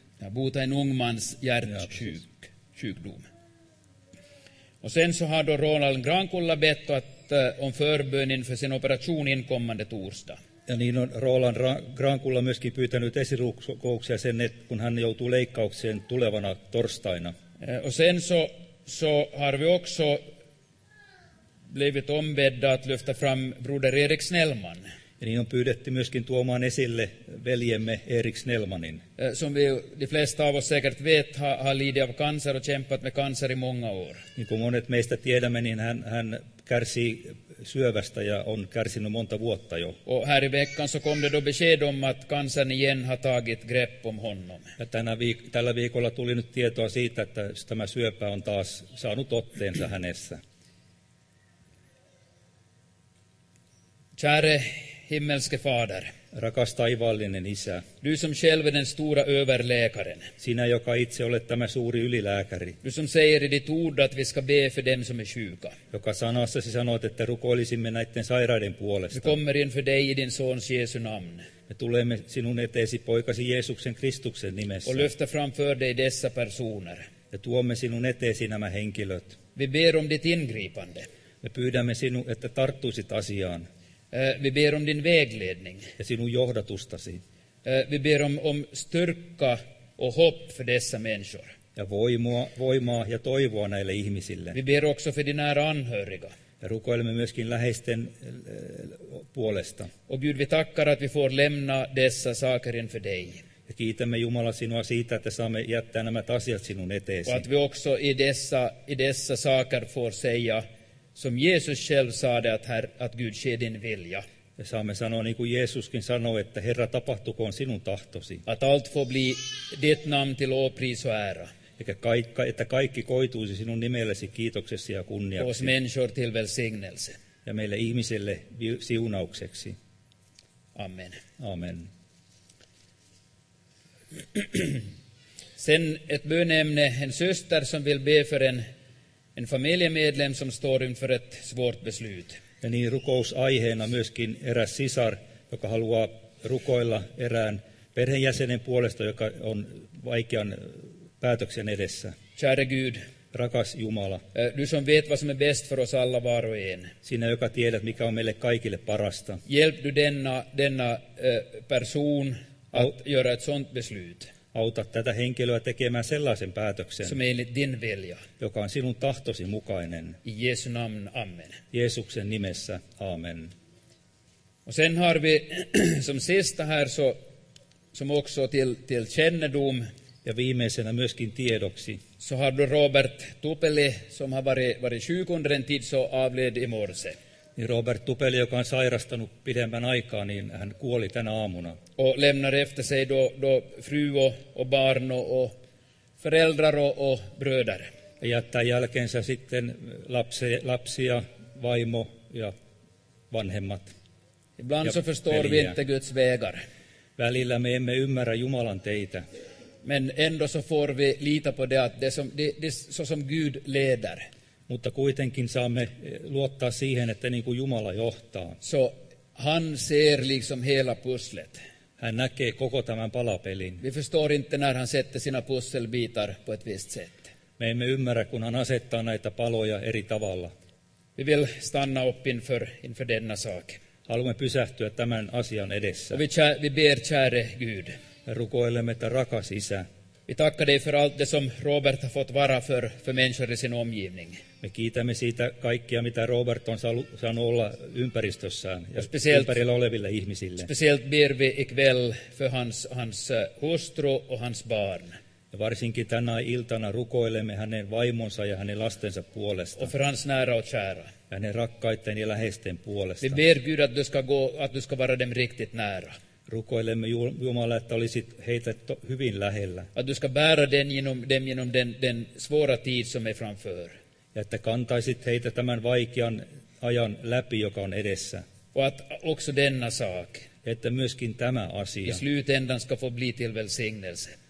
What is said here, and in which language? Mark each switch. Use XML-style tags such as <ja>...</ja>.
<sv>Bota en ung mans hjärtsjukdom. Och sen så har då Ronald Grankulla bett om förbön inför sin operation inkommande torsdag.</sv> <fi>Ja niin on Roland Grankulla myöskin pyytänyt esirukouksia sen, että kun hän joutuu leikkaukseen tulevana torstaina.</fi> <sv>Och sen så har vi också blivit ombedda att lyfta fram broder Erik Snellman.</sv> <fi>Ja niin on pyydetty myöskin tuomaan esille veljemme Erik Snellmanin.</fi> <sv>Som vi, de flesta av oss säkert vet, har lidit av cancer och kämpat med cancer i många år.</sv> <fi>Niin kuin monet meistä tiedämme, niin hän kärsii syövästä ja on kärsinyt monta vuotta jo.</fi> <sv>Och här i veckan så kom det då besked om att cancern igen har tagit grepp om honom.</sv> <fi>Ja tällä viikolla tuli nyt tietoa siitä, että tämä syöpä on taas saanut otteensa hänessä.</fi> <sv>Käre himmelske fader.</sv> <fi>Rakas taivaallinen isä.</fi> <sv>Du som själv är den stora överläkaren.</sv> <fi>Sinä, joka itse olet tämä suuri ylilääkäri.</fi> <sv>Du som säger i ditt ord att vi ska be för dem som är sjuka.</sv> <fi>Joka sanassasi sanoit, että rukoilisimme näiden sairaiden puolesta.</fi> <sv>Vi kommer inför dig i din sons Jesu namn.</sv> <fi>Me tulemme sinun eteesi poikasi Jeesuksen Kristuksen nimessä.</fi> <sv>Och lyfta framför dig dessa personer.</sv> <fi>Ja tuomme sinun eteesi nämä henkilöt.</fi> <sv>Vi ber om ditt ingripande.</sv> <fi>Me pyydämme sinun, että tarttuisit asiaan.</fi> <sv>Vi ber om din vägledning.</sv> <fi>Ja sinun johdatustasi.</fi> <sv>Vi ber om styrka och hopp för dessa människor.</sv> <fi>Ja voimaa ja toivoa näille ihmisille.</fi> <sv>Vi ber också för dina anhöriga.</sv> <fi>Ja rukoilemme myöskin läheisten puolesta.</fi> <sv>Och Gud, vi tackar att vi får lämna dessa saker inför dig.</sv> <fi>Ja kiitämme Jumala sinua siitä, että saamme jättää nämä asiat sinun eteesi.</fi> <sv>Och att vi också i dessa saker får säga som Jesus själv sade att Herr att Gud ske din vilja.</sv> <fi>Ja saamme sanoa niin kuin Jeesuskin sanoi, että Herra tapahtukoon sinun tahtosi.</fi> <sv>Att allt får bli ditt namn till lovpris och ära.</sv> <fi>Että kaikki koituisi sinun nimellesi kiitoksessa ja kunniaksi.</fi> <sv>Oss människor till välsignelse.</sv> <fi>Ja meille ihmiselle siunaukseksi.</fi> <sv>Amen.</sv> <fi>Amen.</fi> <sv>Sen ett böneämne, en syster som vill be för en familjemedlem som står inför ett svårt beslut.</sv> <fi>Ja niin rukousaiheena myöskin eräs sisar, joka haluaa rukoilla erään perheenjäsenen puolesta, joka on vaikean päätöksen edessä.</fi> <sv>Käre Gud,</sv> <fi>rakas Jumala.</fi> <sv>Du som vet vad som är bäst för oss alla var och en.</sv> <fi>Sinä, joka tiedät, mikä on meille kaikille parasta.</fi> <sv>Hjälp du denna person att göra ett sånt beslut.</sv> <fi>Auta tätä henkilöä tekemään sellaisen päätöksen,</fi> <sv>som enligt din vilja,</sv> <fi>joka on sinun tahtosi mukainen.</fi> <sv>I Jesu namn, amen.</sv> <fi>Jeesuksen nimessä, amen.</fi> <sv>Och sen har vi som sista här så, som också till kännedom.</sv> <fi>Ja viimeisenä myöskin tiedoksi.</fi> <sv>Så har du Robert Tupeli, som har varit sjuk under en tid, så avled i morse.</sv> <fi>Niin Robert Tupeli, joka on sairastanut pidemmän aikaa, niin hän kuoli tänä aamuna.</fi> <sv>Och lämnar efter sig då fru och barn och föräldrar och bröder.</sv> <fi>Ja jättää jälkeensä sitten lapsia, vaimo ja vanhemmat.</fi> <sv>Ibland så förstår vi inte Guds vägar.</sv> <fi>Välillä me emme ymmärrä Jumalan teitä.</fi> <sv>Men ändå så får vi lita på det att det som så som Gud leder.</sv> <fi>Mutta kuitenkin saamme luottaa siihen, että niin kuin Jumala johtaa.</fi> <sv>So han ser liksom hela pusslet.</sv> <fi>Hän näkee koko tämän palapelin.</fi> <sv>Vi förstår inte när han sätter sina pusselbitar på ett visst sätt.</sv> <fi>Me emme ymmärrä, kun hän asettaa näitä paloja eri tavalla.</fi> <sv>Vi vill stanna upp inför denna sak.</sv> <fi>Haluamme pysähtyä tämän asian edessä.</fi> <sv>Vi ber käre Gud.</sv> <fi>Rukoilemme, että rakas isä.</fi> <sv>Vi tackar dig för allt det som Robert har fått vara för människor i sin omgivning.</sv> <fi>Me kiitämme siitä kaikkia, mitä Robert on saanut olla ympäristössään ja ympärillä oleville ihmisille.</fi> <sv>Speciellt ber vi ikväll för hans hustru och hans barn.</sv> <fi>Ja varsinkin tänä iltana rukoilemme hänen vaimonsa ja hänen lastensa puolesta.</fi> <sv>Och för hans nära och kära.</sv> <fi>Ja hänen rakkaiden ja läheisten puolesta.</fi> <sv>Vi ber Gud att du ska vara dem riktigt nära.</sv> <fi>Rukoilemme Jumala, että olisit heitä hyvin lähellä.</fi> <sv>Att du ska bära dem genom den svåra tid som är framför.</sv> <fi>Ja että kantaisit heitä tämän vaikean ajan läpi, joka on edessä.</fi> <sv>Och att också denna sak.</sv> <fi>Että myöskin tämä asia.</fi> <sv>I slutändan ska få bli till välsignelse.</sv>